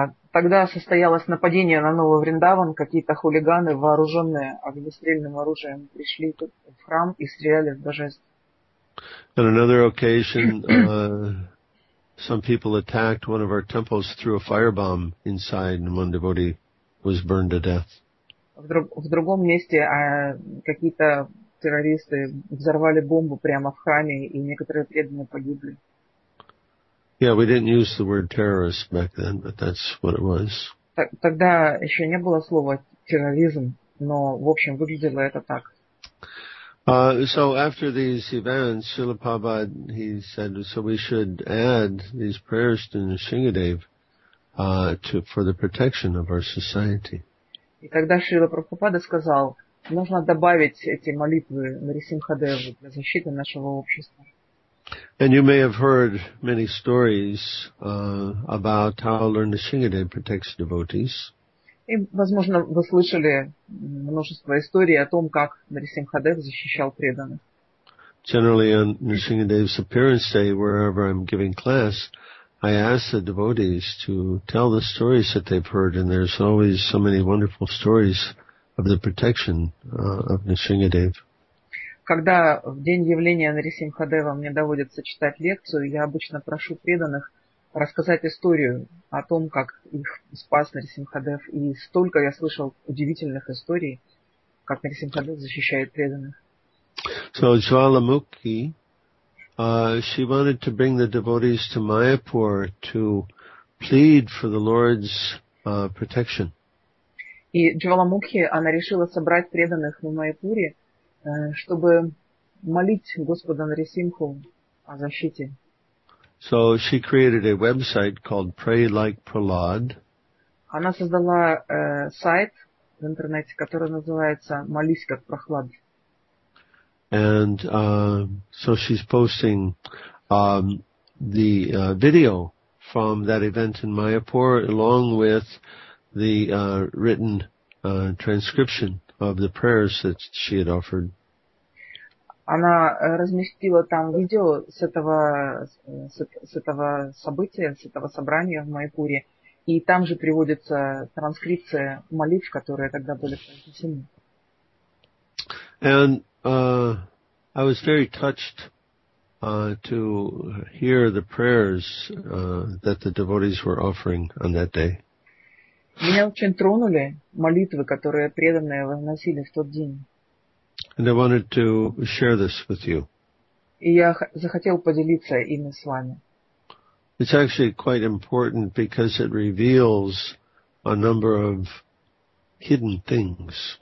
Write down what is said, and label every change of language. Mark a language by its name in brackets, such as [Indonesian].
[Russian] Тогда состоялось нападение на Новый Вриндаван. Какие-то хулиганы, вооруженные огнестрельным оружием, пришли в храм и стреляли в божеств. [English] On another occasion, some people attacked one of our temples, threw a firebomb inside, and one devotee was burned to death. [Russian] В другом месте какие-то террористы взорвали бомбу прямо в храме, и некоторые преданные погибли. [English] Yeah, we didn't use the word terrorist back then, but that's what it was. [Russian] Тогда еще не было слова терроризм, но в общем выглядело это так. [English] So after these events, Srila Prabhupada, he said, so we should add these prayers to Nrisimhadev for the protection of our society. [Russian] И тогда Шрила Прабхупада сказал, нужно добавить эти молитвы Нрисимхадеву для защиты нашего общества. [English] And you may have heard many stories about how Lord Nrisimhadev protects devotees. [Russian] И, возможно, вы слышали множество историй о том, как Нрисимхадев защищал преданных. [English] Generally, on Nrisimhadev's appearance day, wherever I'm giving class, I ask the devotees to tell the stories that they've heard, and there's always so many wonderful stories of the protection of Nrisimhadev. [Russian] Когда в день явления Нрисимхадева мне доводится читать лекцию, я обычно прошу преданных рассказать историю о том, как их спас Нрисимхадев. И столько я слышал удивительных историй, как Нрисимхадев защищает преданных. [English] So Jvalamukhi, she wanted to bring the devotees to Mayapur to plead for the Lord's protection. [Russian] И Jvalamukhi, она решила собрать преданных в Майяпуре, чтобы молить Господа Нрисимху о защите. [English] So she created a website called Pray Like Prahlad. [Russian] Она создала сайт в интернете, который называется «Молись как Прохлад». [English] And so she's posting the video from that event in Mayapur along with the written transcription of the prayers that she had offered. [Russian] Она разместила там видео с этого события, с этого собрания в Майяпуре, и там же приводится транскрипция молитв, которые тогда были произнесены. [English] And I was very touched to hear the prayers that the devotees were offering on that day. [Russian] Меня очень тронули молитвы, которые преданные возносили в тот день. [English] And I wanted to share this with you. [Russian] И я захотел поделиться ими с вами. [English] It's actually quite important because it reveals a number of hidden things.